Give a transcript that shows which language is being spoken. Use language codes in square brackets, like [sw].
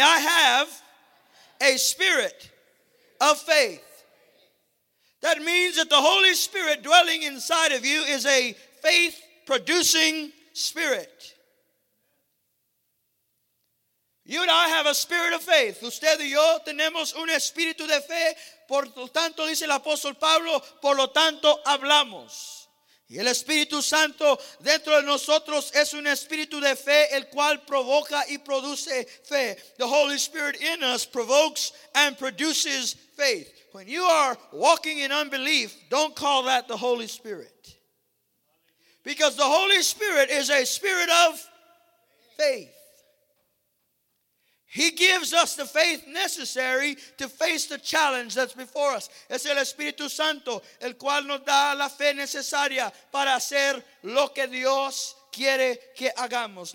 [en] I have a spirit of faith. That means that the Holy Spirit dwelling inside of you is a faith producing spirit. You and I have a spirit of faith. [es] Usted y yo tenemos un espíritu de fe. Por lo tanto, dice el apóstol Pablo, por lo tanto hablamos. Y el Espíritu Santo dentro de nosotros es un espíritu de fe, el cual provoca y produce fe. [en] The Holy Spirit in us provokes and produces faith. When you are walking in unbelief, don't call that the Holy Spirit. Because the Holy Spirit is a spirit of faith. He gives us the faith necessary to face the challenge that's before us. [es] Es el Espíritu Santo el cual nos da la fe necesaria para hacer lo que Dios quiere que hagamos.